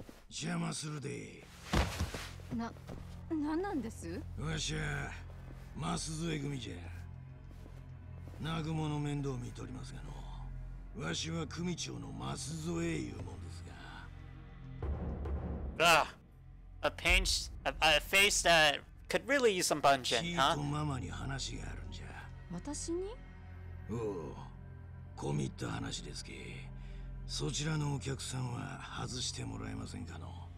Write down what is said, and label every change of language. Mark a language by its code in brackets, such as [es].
[ja] 邪魔するで。なんなんです？わしは、マスズエ組じゃ。なぐもの面倒を見とりますがの。わしは組長の舛添いうもんですが。 [en] A pinched, a face that could really use some punching, huh? [ja] キーとママに話があるんじゃ。私に？おう、コミット話ですけ。そちらのお客さんは外してもらえませんかの。